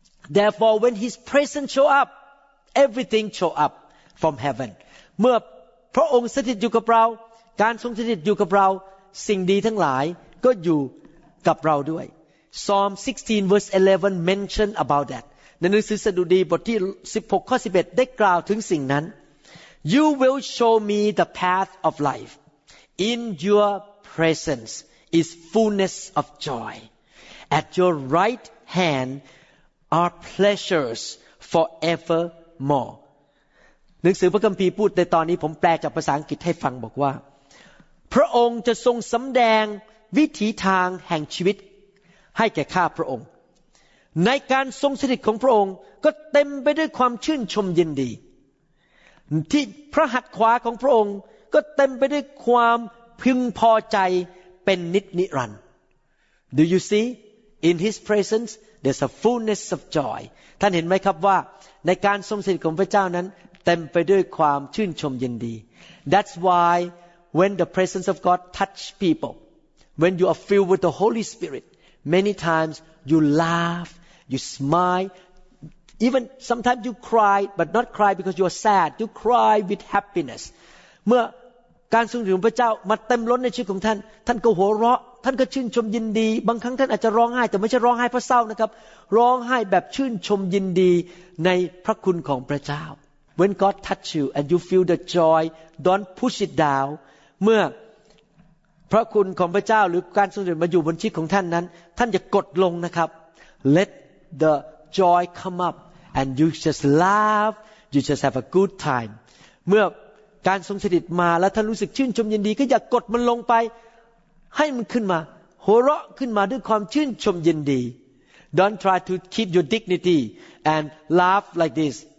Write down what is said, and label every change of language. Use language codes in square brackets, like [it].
[en] Therefore when his presence show up everything show up from heaven [th] เมื่อพระองค์สถิตอยู่กับเราการทรงสถิตอยู่กับเราสิ่งดีทั้งหลายก็อยู่กับเราด้วย [en] Psalm 16 verse 11 mention about that [th] ในหนังสือสดุดีบทที่16ข้อ11ได้กล่าวถึงสิ่งนั้น [en] You will show me the path of life. In your presence is fullness of joy. At your right hand are pleasures forevermore. [th] หนังสือพระคัมภีร์พูดในตอนนี้ผมแปลจากภาษาอังกฤษให้ฟังบอกว่าพระองค์จะทรงสำแดงวิถีทางแห่งชีวิตให้แก่ข้าพระองค์ในการทรงสถิตของพระองค์ก็เต็มไปด้วยความชื่นชมยินดีที่พระหัตถ์ขวาของพระองค์ก็เต็มไปด้วยความพึงพอใจเป็นนิจนิรันดร์ [en] Do you see in his presence there's a fullness of joy [th] ท่านเห็นไหมครับว่าในการทรงสถิตของพระเจ้านั้นเต็มไปด้วยความชื่นชมยินดี [en] That's why when the presence of God touch people when you are filled with the Holy Spirit many timesYou laugh, you smile, even sometimes you cry, but not cry because you're sad. You cry with happiness. [th] เมื่อการทรงสถิตของพระเจ้ามาเต็มล้นในชีวิตของท่านท่านก็หัวเราะท่านก็ชื่นชมยินดีบางครั้งท่านอาจจะร้องไห้แต่ไม่ใช่ร้องไห้เพราะเศร้านะครับร้องไห้แบบชื่นชมยินดีในพระคุณของพระเจ้า [en] When God touch you and you feel the joy, don't push it down. [th] เมื่อพระคุณของพระเจ้าหรือการทรงสถิตมาอยู่บนชีวิตของท่านนั้นท่านจะกดลงนะครับ [en] Let the joy come up and you just laugh you just have a good time [th] เมื่อการทรงสถิตมาแล้วท่านรู้สึกชื่นชมยินดีก็อย่ากดมันลงไปให้มันขึ้นมาหัวเราะขึ้นมาด้วยความชื่นชมยินดี [en] Don't try to keep your dignity and laugh like this